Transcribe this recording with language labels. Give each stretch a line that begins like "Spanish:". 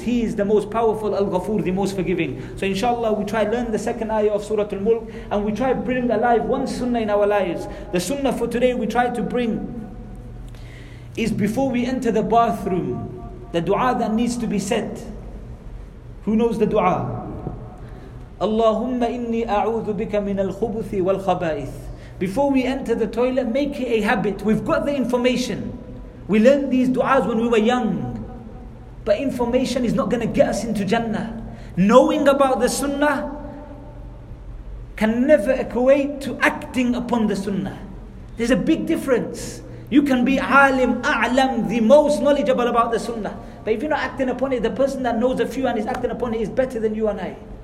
English: He is the most powerful, Al-Ghafoor, the most forgiving. So inshallah, we try to learn the second ayah of Surah Al-Mulk and we try to bring alive one sunnah in our lives. The sunnah for today we try to bring is before we enter the bathroom, the dua that needs to be said. Who knows the dua?
Arabic: اللهم إني أعوذ بك من الخبث والخبائث.
English: Before we enter the toilet, make it a habit. We've got the information. We learned these du'as when we were young. But information is not going to get us into Jannah. Knowing about the sunnah can never equate to acting upon the sunnah. There's a big difference. You can be alim, a'lam, the most knowledgeable about the sunnah. But if you're not acting upon it, the person that knows a few and is acting upon it is better than you and I.